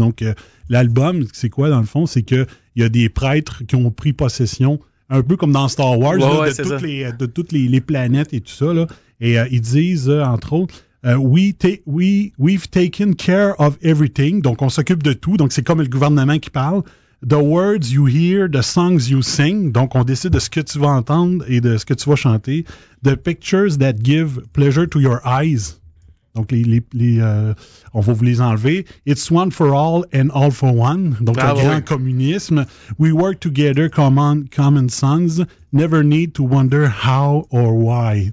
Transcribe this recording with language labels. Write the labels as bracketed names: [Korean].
[French] Donc, l'album, c'est quoi dans le fond? C'est qu'il y a des prêtres qui ont pris possession, un peu comme dans Star Wars, de toutes les planètes et tout ça, là. Et ils disent, entre autres, [English] we've taken care of everything. [French] Donc, on s'occupe de tout. Donc, c'est comme le gouvernement qui parle. [English] The words you hear, the songs you sing. [French] Donc, on décide de ce que tu vas entendre et de ce que tu vas chanter. [English] The pictures that give pleasure to your eyes. [French] Donc, les on va vous les enlever. [English] It's one for all and all for one. [French] Donc, un grand communisme. [English] We work together, common sons. Never need to wonder how or why.